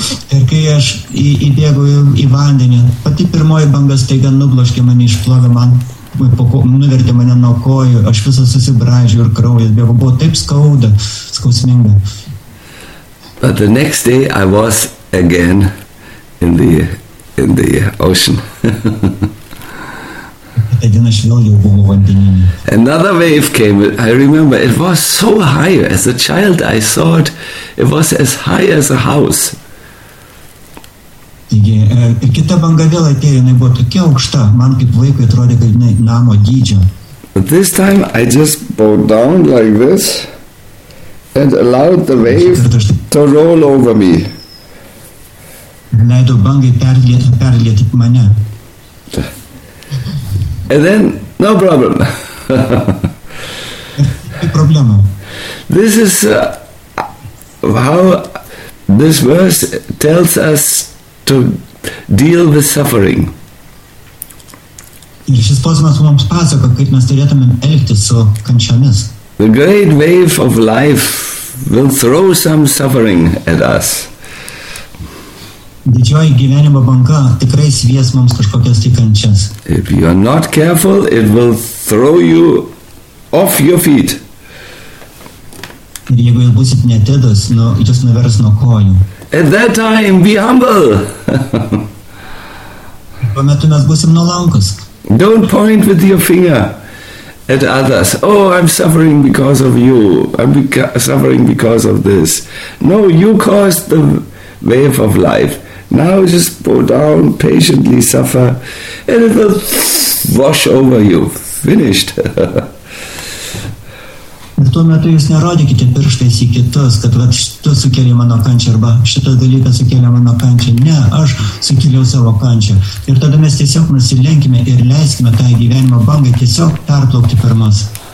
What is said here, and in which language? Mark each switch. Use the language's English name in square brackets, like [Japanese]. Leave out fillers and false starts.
[Lithuanian] Ir kai aš įbėgau į vandenį, pati pirmoji banga staiga nublaškė mane, išplovė man. Nuvertė mane nuo kojų, aš visą susibražiau ir kraujas bėgo, buvo taip skausminga. [English] But the next day I was again in the ocean. Another wave came, I remember, it was so high, as a child I saw it, it was as high as a house. [Lithuanian] Ir kita banga vėl atėjo, jinai buvo tokia aukšta, man kaip vaikui atrodė, kad jinai namo dydžio. [English] But this time I just bowed down like this and allowed the wave to roll over me. [Lithuanian] Leido bangai perlieti mane. [English] And then, no problem. [Lithuanian] Problema. [English] This is how this verse tells us to deal with suffering. The great wave of life will throw some suffering at us. If you are not careful, it will throw you off your feet. [Lithuanian] Ir jeigu jūs būsit netėdus, jūs nuvers nuo kojų. [English] At that time, be humble. [Lithuanian] Tuo metu mes būsim nuolankus. [English] Don't point with your finger at others. Oh, I'm suffering because of you. I'm suffering because of this. No, you caused the wave of life. Now just bow down, patiently suffer, and it will wash over you. Finished. [Lithuanian] Ir tuo metu jūs nerodykite pirštais į kitus, kad vat šitą sukėlė mano kančią, arba šitą dalyką sukėlė mano kančią. Ne, aš sukėliau savo kančią. Ir tada mes tiesiog nusilenkime ir leiskime tą gyvenimo bangą tiesiog perplaukti per mus.